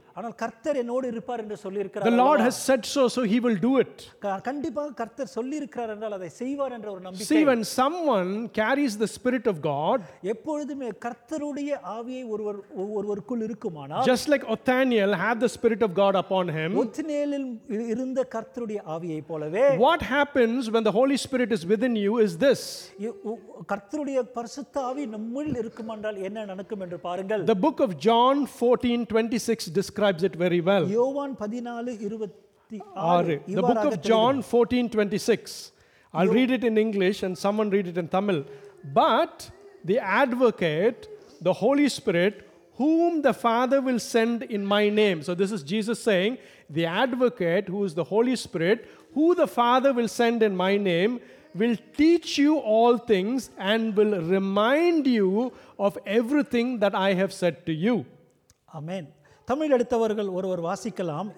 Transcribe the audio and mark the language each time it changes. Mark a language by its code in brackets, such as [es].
[ta] ஆனால் கர்த்தர் என்னோடு இருப்பார் என்று சொல்லி இருக்கிறார். [en] The Lord has said so, so he will do it. [ta] கண்டிப்பாக கர்த்தர் சொல்லி இருக்கிறார் என்றால் அதை செய்வார் என்ற ஒரு நம்பிக்கை. [en] See, when someone carries the spirit of God, [ta] எப்பொழுதுமே கர்த்தருடைய ஆவியை ஒருவருக்குள் இருக்குமானால், [en] just like Othniel had the spirit of God upon him, [ta] ஒத்னியேலில் இருந்த கர்த்தருடைய ஆவியை போலவே, [en] what happens when the Holy Spirit is within you is this. [ta] கர்த்தருடைய பரிசுத்த ஆவி நம்மில் இருக்குமென்றால் என்ன நடக்கும் என்று பாருங்கள். [en] The book of John 14:26 describes it very well. [ta] யோவான் 14:26. [en] The book of John 14:26. I'll read it in English and someone read it in Tamil. But the advocate, the Holy Spirit, whom the Father will send in my name. So this is Jesus saying, the advocate, who is the Holy Spirit, who the Father will send in my name, will teach you all things and will remind you of everything that I have said to you. Amen. [ta] Tamil எடுத்தவர்கள் ஒருவர் வாசிக்கலாம்.